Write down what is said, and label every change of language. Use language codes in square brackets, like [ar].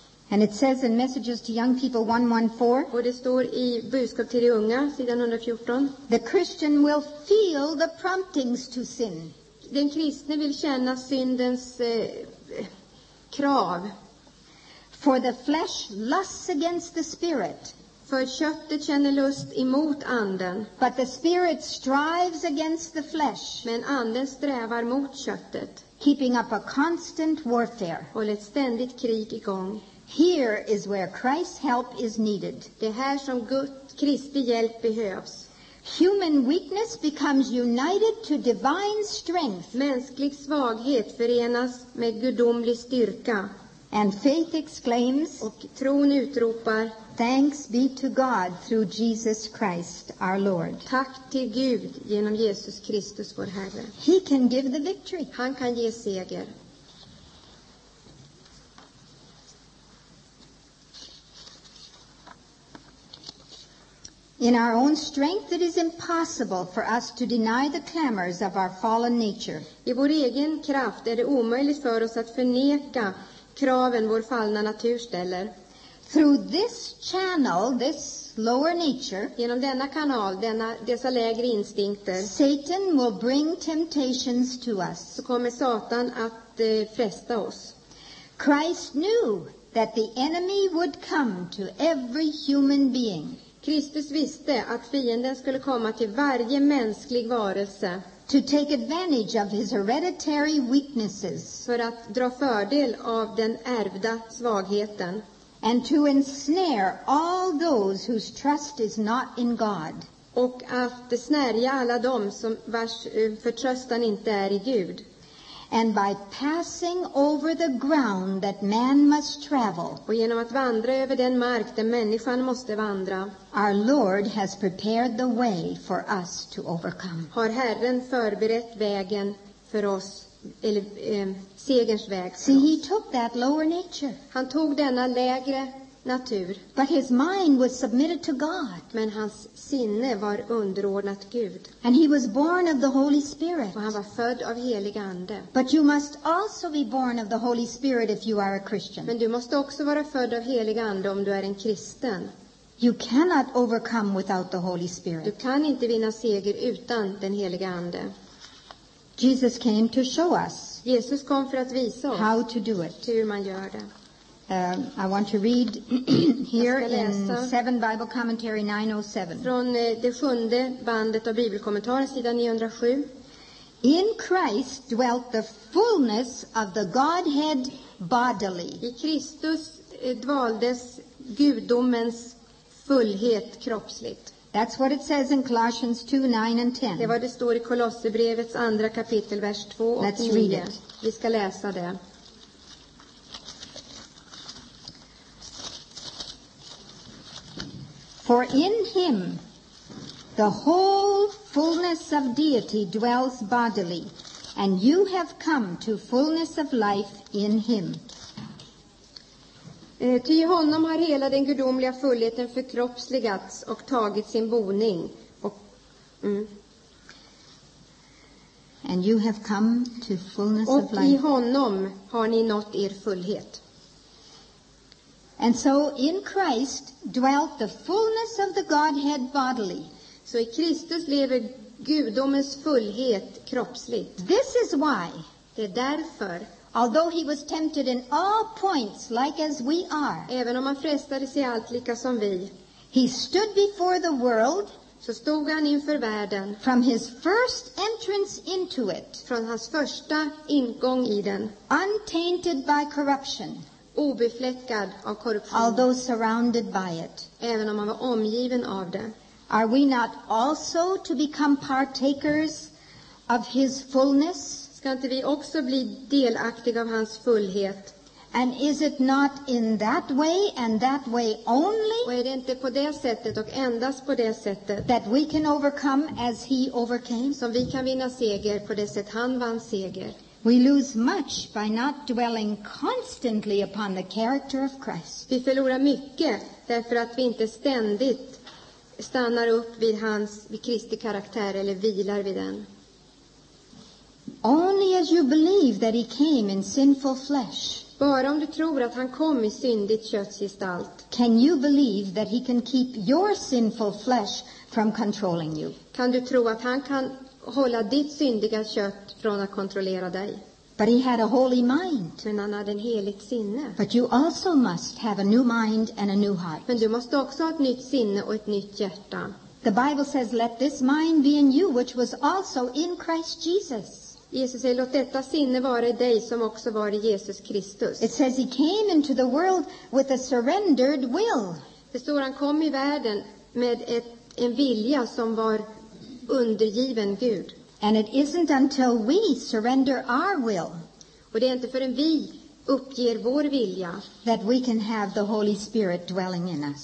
[en] And it says in Messages to Young People 114. [sv] Och det står i budskap till de unga sidan 114. [en] The Christian will feel the promptings to sin. [sv] Den kristne vill känna syndens krav. [en] For the flesh lusts against the spirit. [sv] För köttet känner lust emot anden. [en] But the spirit strives against the flesh. [sv] Men anden strävar mot köttet. [en] Keeping up a constant warfare. [sv] Håller ett ständigt krig igång. [en] Here is where Christ's help is needed. [sv] Det är här som Kristi hjälp behövs. [en] Human weakness becomes united to divine strength. [sv] Mänsklig svaghet förenas med gudomlig styrka. [en] And faith exclaims, [sv] och tron utropar, [en] thanks be to God through Jesus Christ our Lord. [sv] Tack till Gud genom Jesus Kristus vår Herre. [en] He can give the victory. [sv] Han kan ge seger. [en] In our own strength it is impossible for us to deny the clamors of our fallen nature. [sv] I vår egen kraft är det omöjligt för oss att förneka kraven vår fallna natur ställer. [en] Through this channel, this lower nature, [sv] genom denna kanal, dessa lägre instinkter, [en] Satan will bring temptations to us. [sv] Så kommer Satan att fresta oss. [en] Christ knew that the enemy would come to every human being. [sv] Kristus visste att fienden skulle komma till varje mänsklig varelse. [en] To take advantage of his hereditary weaknesses. [sv] För att dra fördel av den ärvda svagheten. [en] And to ensnare all those whose trust is not in God. [sv] Och att snärja alla dem som vars förtröstan inte är i Gud. [en] And by passing over the ground that man must travel. [sv] Och genom att vandra över den mark där människan måste vandra. [en] Our Lord has prepared the way for us to overcome. [sv] Har Herren förberett vägen för oss, eller segerns väg för oss. [en] See, he took that lower nature. [sv] Han tog denna lägre natur. [en] But his mind was submitted to God. [sv] Men hans sinne var underordnat Gud. [en] And he was born of the Holy Spirit. [sv] Och han var född av helig ande. [en] But you must also be born of the Holy Spirit if you are a Christian. [sv] Men du måste också vara född av helig ande om du är en kristen. [en] You cannot overcome without the Holy Spirit. [sv] Du kan inte vinna seger utan den helige ande. [en] Jesus came to show us. [sv] Jesus kom för att visa oss. [en] How to do it. [sv] Hur man gör det. [en] I want to read here in 7th Bible Commentary 907. [sv] Från det sjunde bandet av bibelkommentaren sidan 907. [en] In Christ dwelt the fullness of the Godhead bodily. [sv] I Kristus dvaldes gudomens fullhet kroppsligt. [en] That's what it says in Colossians 2:9-10. [sv] Det var det står i Kolosserbrevets andra kapitel vers 2 och 9. [en] Let's read it. [sv] Vi ska läsa det. [en] For in him the whole fullness of deity dwells bodily, and you have come to fullness of life in him. [sv] Till honom har hela den gudomliga fullheten förkroppsligats och tagit sin boning. [en] And you have come to fullness of life. [sv] Och i honom har ni nått er fullhet. [en] And so in Christ dwelt the fullness of the Godhead bodily. [sv] Så i Kristus lever gudomens fullhet kroppsligt. [en] This is why. [sv] Det är därför. [en] Although he was tempted in all points like as we are. [sv] Även om han frestades i allt lika som vi. [en] He stood before the world. [sv] Så stod han inför världen. [en] From his first entrance into it. [sv] Från hans första ingång i den. [en] Untainted by corruption. [sv] Obefläckad av korruption. [en] Although surrounded by it. [sv] Även om han var omgiven av det. [en] Are we not also to become partakers of his fullness? [sv] Ska inte vi också bli delaktiga av hans fullhet? [en] And is it not in that way and that way only? [sv] Och är det inte på det sättet och endast på det sättet? [en] That we can overcome as he overcame? [sv] Som vi kan vinna seger på det sätt han vann seger. [en] We lose much by not dwelling constantly upon the character of Christ. [sv] Vi förlorar mycket därför att vi inte ständigt stannar upp vid hans, vid Kristi karaktär eller vilar vid den. [en] Only as you believe that he came in sinful flesh. [sv] Bara om du tror att han kom i syndigt köttsgestalt. [en] Can you believe that he can keep your sinful flesh from controlling you? [sv] Kan du tro att han kan hålla ditt syndiga kött från att kontrollera dig? [en] But he had a holy mind. [sv] Men han hade en heligt sinne. [en] But you also must have a new mind and a new heart. [sv] Men du måste också ha ett nytt sinne och ett nytt hjärta. [en] The Bible says, "Let this mind be in you, which was also in Christ Jesus." [sv] Jesus säger, låt detta sinne vara i dig som också var i Jesus Kristus. [en] It says he came into the world with a surrendered will. [sv] Det står han kom i världen med en vilja som var undergiven Gud. [en] And it isn't until we surrender our will. [sv] Och det är inte förrän vi uppger vår vilja [en] that we can have the Holy Spirit dwelling in us.